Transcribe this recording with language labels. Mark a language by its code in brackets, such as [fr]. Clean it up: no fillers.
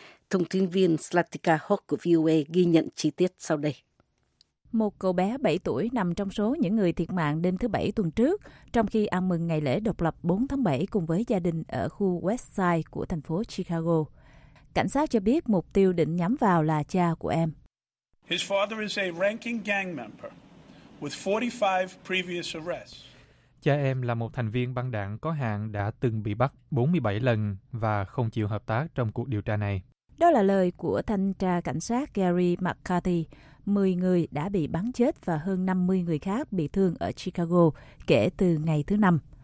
[vi] Thông tin viên Slatika Hawk của VOA ghi nhận chi tiết sau đây. Một cậu bé 7 tuổi nằm trong số những người thiệt mạng đêm thứ Bảy tuần trước, trong khi ăn mừng ngày lễ độc lập 4 tháng 7 cùng với gia đình ở khu West Side của thành phố Chicago. Cảnh sát cho biết mục tiêu định nhắm vào là cha của em. [en] His father is a ranking gang member with 45 previous arrests. [vi] Cha em là một thành viên băng đảng có hạn đã từng bị bắt 47 lần và không chịu hợp tác trong cuộc điều tra này. Đó là lời của thanh tra cảnh sát Gary McCarthy. 10 người đã bị bắn chết và hơn 50 người khác bị thương ở Chicago kể từ ngày thứ Năm.